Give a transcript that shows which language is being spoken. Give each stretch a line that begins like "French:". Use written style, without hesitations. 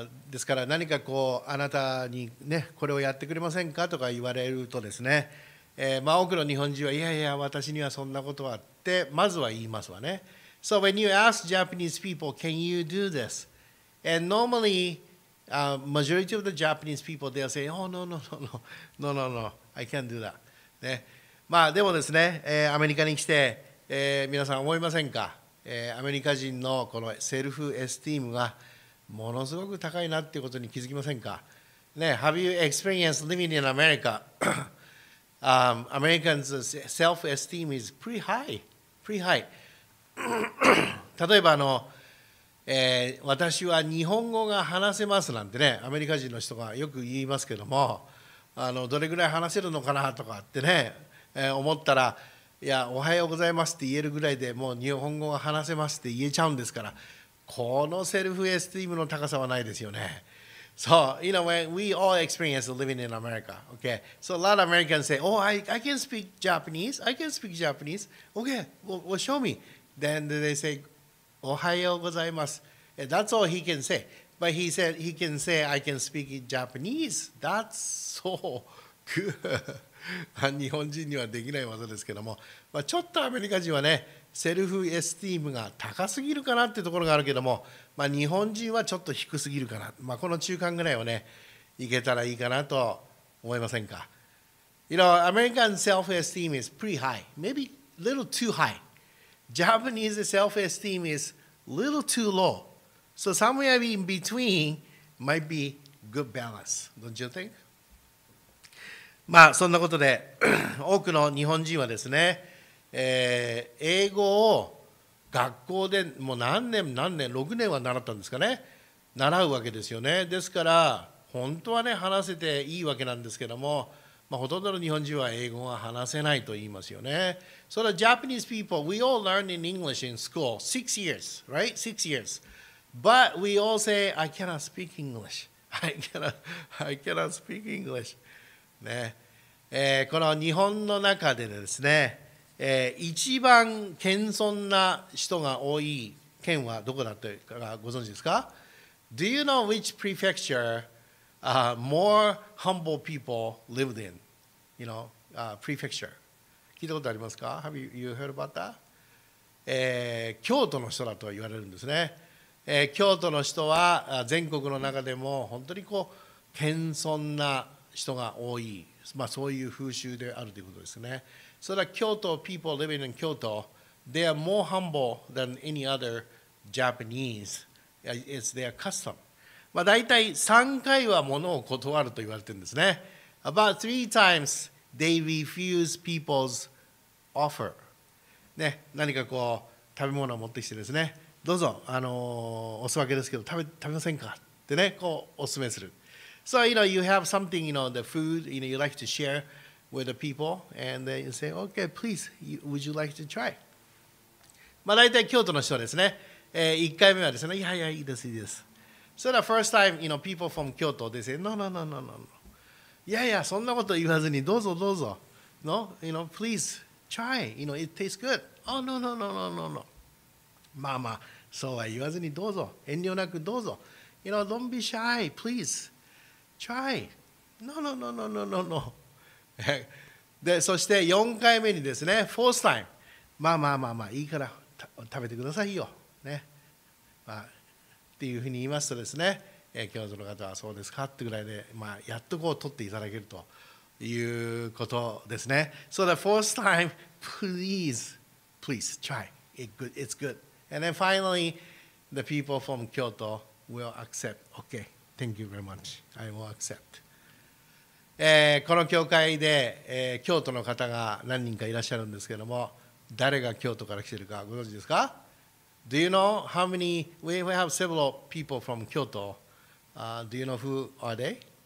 Japanese: ですから何かこうあなたにねこれをやってくれませんかとか言われるとですね、まあ多くの日本人はいやいや私にはそんなことはってまずは言いますわね。
English: So when you ask Japanese people, can you do this? And normally, majority of the Japanese people, they'll say, oh, no, no, no, no, no, no, no, I can't do that.
Japanese: ね、まあでもですね、アメリカに来て、皆さん思いませんか、アメリカ人のこのセルフエスティームがものすごく高いなっていうことに気づきませんか、ね、
English: Have you experienced living in America? Americans' self-esteem is pretty high, pretty high.
Japanese: 例えばあの、私は日本語が話せますなんてねアメリカ人の人がよく言いますけどもあのどれぐらい話せるのかなとかってね、思ったらいやおはようございますって言えるぐらいでもう日本語が話せますって言えちゃうんですからこのセルフエスティームの高さはないですよね。
English: So, you know, when we all experience living in America, okay? So a lot of Americans say, oh, I can speak Japanese. I can speak Japanese. Okay, well, show me. Then they say,
Japanese: Ohayo gozaimasu.
English: That's all he can say. But he said he can say, I can speak Japanese. That's so good.
Japanese: 日本人にはできない技ですけども。まあ、ちょっとアメリカ人はね、セルフエスティームが高すぎるかなってところがあるけども、まあ、日本人はちょっと低すぎるかな、まあ、この中間ぐらいをねいけたらいいかなと思いませんか。
English: You know, American self-esteem is pretty high, maybe a little too high. Japanese self-esteem is a little too low. So somewhere in between might be good balance, don't you think?
Japanese: まあそんなことで多くの日本人はですね、英語を学校でもう何年何年6年は習ったんですかね、習うわけですよね。ですから本当はね話せていいわけなんですけども、まあ、ほとんどの日本人は英語は話せないと言いますよね。
English: So the Japanese people, we all learn in English in school 6 years, right? 6 years. But we all say, I cannot speak English. I cannot speak English.
Japanese: ね、この日本の中でですね、一番謙遜な人が多い県はどこだというかご存知ですか？
English: Do you know which prefecture more humble people lived in? You know, prefecture.
Japanese: 聞いたことありますか？
English: Have you heard about that?
Japanese: 京都の人だと言われるんですね。京都の人は全国の中でも本当にこう謙遜な人が多い、まあ、そういう風習であるということですね。
English: So the Kyoto people living in Kyoto, they are more humble than any other Japanese. It's their custom.
Japanese: まあ大体3回は物を断ると言われてるんですね。
English: About 3 times they refuse people's offer.
Japanese: ね、何かこう食べ物を持ってきてですね、どうぞおすわけですけど食べませんかってね、こうおすすめする。
English: So you know you have something, you know, the food, you know, you like to share. With the people, and they say, "Okay, please, would you like to try?"
Japanese: まあ大体京都の人ですね。一回目はですね、いやいやいいですいいです。
English: So the first time, you know, people from Kyoto, they say, "No, no, no, no, no, no."
Japanese: いやいやそんなこと言わずにどうぞどうぞ。
English: No, you know, please try. You know, it tastes good. Oh, no, no, no, no, no, no.
Japanese: まあまあそうは言わずにどうぞ遠慮なくどうぞ。
English: You know, don't be shy. Please try. No, no, no, no, no, no, no.
Japanese: でそして4回目にですね、
English: 4th time、
Japanese: まあまあまあまあ、いいから食べてくださいよ、ねまあ。っていうふうに言いますとですね、京都の方はそうですかってぐらいで、まあ、やっとこう取っていただけるということですね。
English: So the fourth time, please, please try. It's good. And then finally, the people from Kyoto will accept. Okay, thank you very much. I will accept.
Japanese: この教会で、京都の方が何人かいらっしゃるんですけども、誰が京都から来ているかご存知ですか？
English: Do you know how many? We have several people from Kyoto. Do you know who are they?